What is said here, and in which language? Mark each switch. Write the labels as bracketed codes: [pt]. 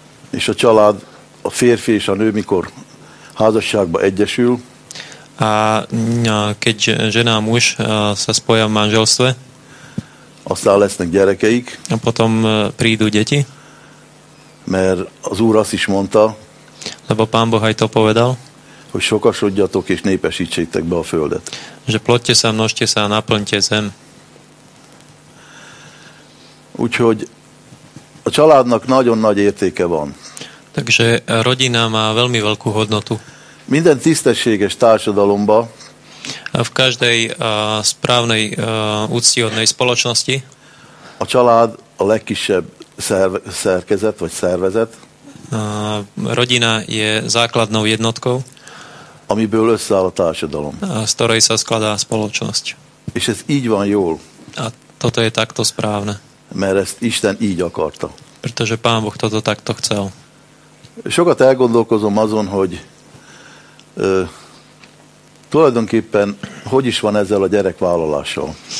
[hu] És a család, a férfi és a nő, mikor házasságba egyesül. [sk] A keď žena a muž sa spoja v manželstve. [hu] Aztán lesznek gyerekeik. [sk] A potom prídu deti. [hu] Mert az Úr azt is mondta. [sk] Lebo Pán Boh aj to povedal. [hu] Hogy sokasodjatok és népesítsétek be a földet. [sk] Že plodte sa, množte sa, naplňte zem. [hu] Úgyhogy a családnak nagyon nagy értéke van. [sk] Takže rodina má veľmi veľkú hodnotu. [hu] Minden tisztességes társadalomba. [sk] V každej správnej úctihodnej spoločnosti. [hu] A család a legkisebb szerkezet vagy szervezet. [sk] Rodina je základnou jednotkou. [hu] Amiből összeáll a társadalom. [sk] Z ktorej sa skladá spoločnosť. [hu] És ez így van jól. [sk] A toto je takto správne. [hu] Mert ezt Isten így akarta. [sk] Pretože Pán Boh toto takto chcel. [hu] Sokat elgondolkozom azon, hogy tulajdonképpen hogy is van ezzel a gyerekvállalással.